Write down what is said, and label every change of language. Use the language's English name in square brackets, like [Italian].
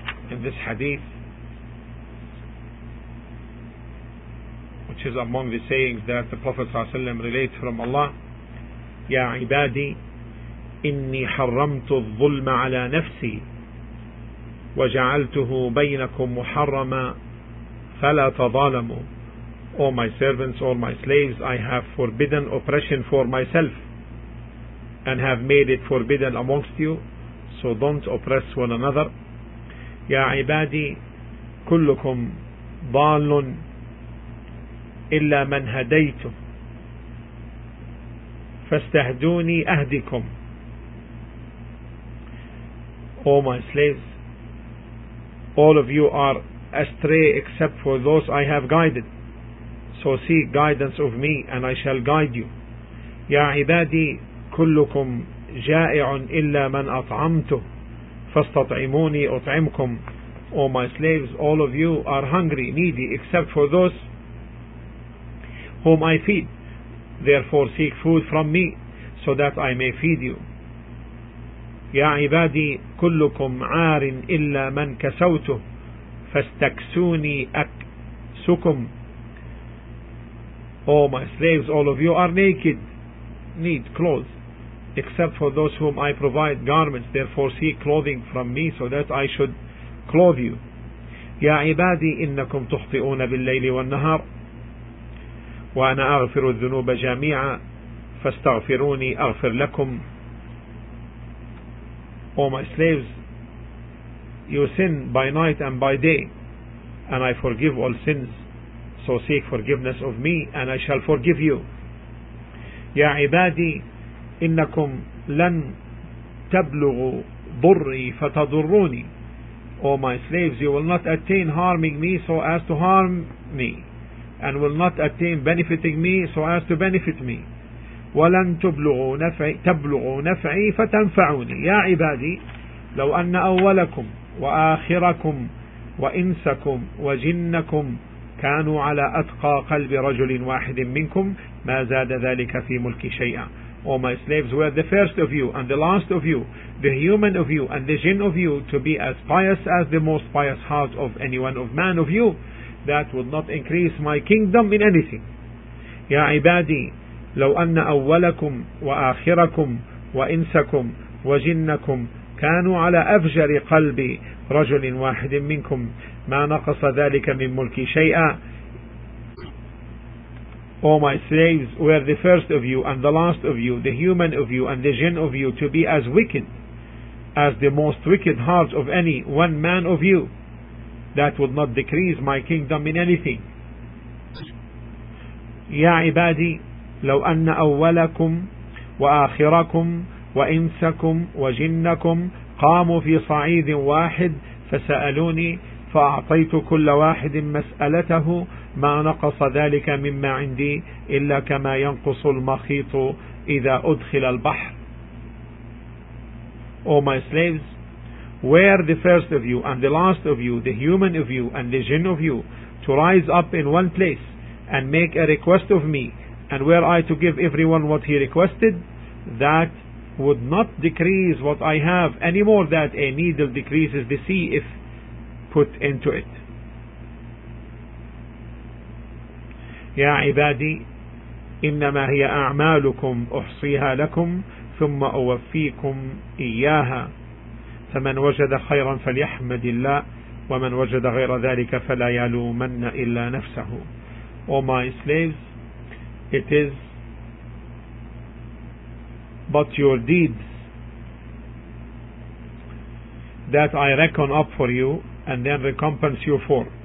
[English] in this hadith, which is among the sayings that the Prophet sallallahu alaihi wasallam relates from Allah, [Arabic] "Ya ibadi, إني حرمت الظلم على نفسي وجعلته بينكم محرما فلا تظالموا." [English] O my servants, all my slaves, I have forbidden oppression for myself and have made it forbidden amongst you, so don't oppress one another. [Arabic] يا عبادي كلكم ضال إلا من هديته فاستهدوني أهدكم. [English] O my slaves, all of you are astray except for those I have guided, so seek guidance of me and I shall guide you. [Arabic] يا عبادي كلكم جائع إلا من أطعمته فاستطعموني أطعمكم. [English] O my slaves, all of you are hungry, needy, except for those whom I feed, therefore seek food from me so that I may feed you. [Arabic] يا عبادي كلكم عار إلا من كسوته فاستكسوني أكسكم. [English] O my slaves, all of you are naked, need clothes, except for those whom I provide garments, therefore seek clothing from me so that I should clothe you. [Arabic] يا عبادي إنكم تخطئون بالليل والنهار وأنا أغفر الذنوب جميعا فاستغفروني أغفر لكم. [English] O my slaves, you sin by night and by day, and I forgive all sins, so seek forgiveness of me and I shall forgive you. [Arabic] يا عبادي إنكم لن تبلغوا ضري فتضروني. [English] O my slaves, you will not attain harming me so as to harm me, and will not attain benefiting me so as to benefit me. [Arabic] ولن تبلغوا نفعي فتنفعوني. يا عبادي لو أن أولكم وآخركم وإنسكم وجنكم كانوا على أتقى قلب رجل واحد منكم ما زاد ذلك في ملك شيئا. [English] O my slaves, were the first of you and the last of you, the human of you and the jinn of you, to be as pious as the most pious heart of any one of man of you, that would not increase my kingdom in anything. [Arabic] يا عبادي لو أن أولكم وآخركم وإنسكم وجنكم كانوا على أفجر قلب رجل واحد منكم ما نقص ذلك من ملك شيئا. [English] O my slaves, were the first of you and the last of you, the human of you and the jinn of you, to be as wicked as the most wicked heart of any one man of you, that would not decrease my kingdom in anything. [Arabic] يا عبادي لو أن أولكم وآخركم وإنسكم وجنكم قاموا في صعيد واحد فسألوني فأعطيت كل واحد مسألته ما نقص ذلك مما عندي إلا كما ينقص المخيط إذا أدخل البحر. [English] O my slaves, where the first of you and the last of you, the human of you and the jinn of you, to rise up in one place and make a request of me, and were I to give everyone what he requested, that would not decrease what I have any more than a needle decreases the sea if put into it. [Arabic] Ya ibadi, innama hiya a'malukum uhsiha lakum thumma uwaffikum iyaha. فمن وجد خيرا فليحمد الله ومن وجد غير ذلك فلا يلومن إلا نفسه. [English] O my slaves, it is but your deeds that I reckon up for you and then recompense you for.